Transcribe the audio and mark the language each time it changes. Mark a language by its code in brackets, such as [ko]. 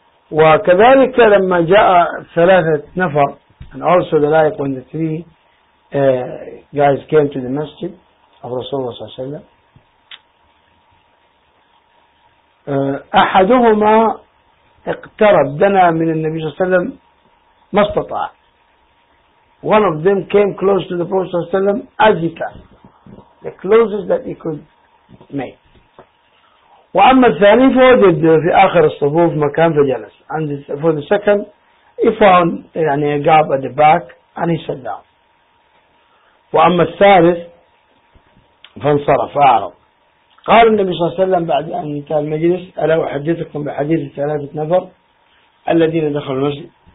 [ar] وكذلك لما جاء ثلاثة نفر [en] and also the like when the three guys came to the masjid of Rasulullah [ar] صلى الله عليه وسلم أحدهما اقترب دنا من النبي صلى الله عليه وسلم ما استطاع. [en] One of them came close to the Prophet صلى الله عليه وسلم as he can, the closest that he could make. [ar] وأما الثاني فوجد في آخر الصفوف مكان فجلس. [en] And for the second he found يعني a gap at the back and he sat down. [ar] وأما الثالث فانصرف أعرض. قال النبي صلى الله عليه وسلم بعد أن انتهى المجلس ألا أحدثكم بحديث ثلاثة نفر الذين دخلوا المسجد.